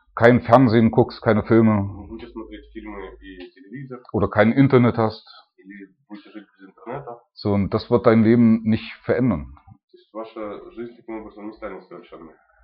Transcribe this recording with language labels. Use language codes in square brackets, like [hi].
[de] Kein Fernsehen guckst, keine Filme. [ru] Будешь смотреть фильмы и телевизор. [de] Oder kein Internet hast. [ru] Или будете жить без интернета. [de] So, und das wird dein Leben nicht verändern. [ru] То есть ваша жизнь таким образом не станет совершенной.